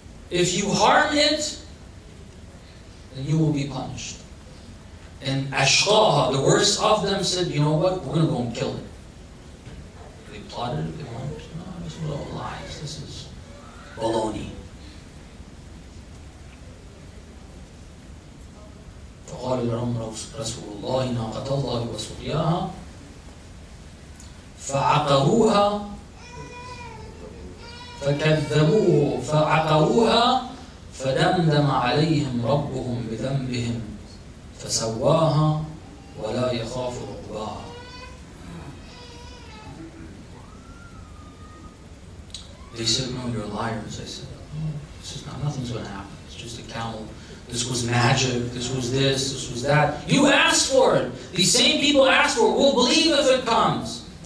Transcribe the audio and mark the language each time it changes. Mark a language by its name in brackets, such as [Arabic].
[English] If you harm it, then you will be punished. And Ashqaha, the worst of them, said, you know what, we're going to go and kill it. They plotted it, they went, no, this was all lies, this is baloney. [Arabic] فقال لهم رسول الله ناقة الله وسقياها فعقروها فكذبوه فعقروها فدمدم عليهم ربهم بذنبهم فسواها ولا يخاف عقباها. [English] They said, no, you're liars. I said, this is not, nothing's going to happen. It's just a camel. This was magic. This was that. You asked for it. These same people asked for it. We'll believe if it comes.